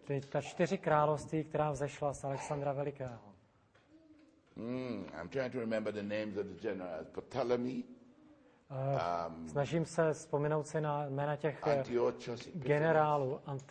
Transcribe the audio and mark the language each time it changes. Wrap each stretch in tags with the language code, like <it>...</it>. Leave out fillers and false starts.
<cs>Ty ta čtyři království, která vzešla z Alexandra Velikého.</cs> <en>I'm trying to remember the names of the generals. Ptolemy.</en> <cs>Snažím se vzpomenout si na jména těch generálů.</cs>